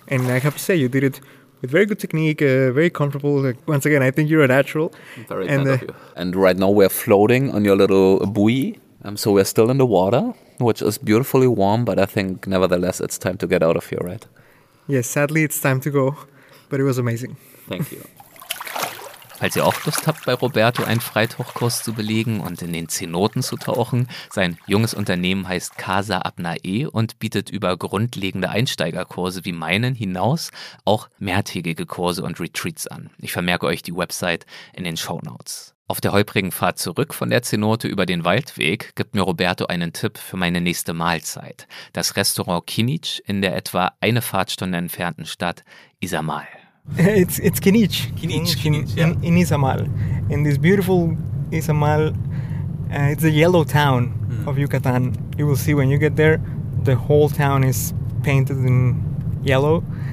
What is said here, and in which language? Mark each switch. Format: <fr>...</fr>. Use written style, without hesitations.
<en>And I have to say, you did it with very good technique, very comfortable. Like, once again, I think you're a natural. I'm very proud of you. And right now we're floating on your little buoy. So we're still in the water, which is beautifully warm, but I think nevertheless it's time to get out of here, right? Yes, sadly it's time to go, but it was amazing. Thank you.</en> <de>Falls ihr auch Lust habt, bei Roberto einen Freitauchkurs zu belegen und in den Zenoten zu tauchen, sein junges Unternehmen heißt Casa Apnae und bietet über grundlegende Einsteigerkurse wie meinen hinaus auch mehrtägige Kurse und Retreats an. Ich vermerke euch die Website in den Shownotes. Auf der holprigen Fahrt zurück von der Zenote über den Waldweg gibt mir Roberto einen Tipp für meine nächste Mahlzeit. Das Restaurant Kinich in der etwa eine Fahrtstunde entfernten Stadt Izamal.</de> <en>It's Kinich. Kinich. In Izamal. In this beautiful Izamal, it's a yellow town of Yucatan. You will see when you get there, the whole town is painted in yellow.</en>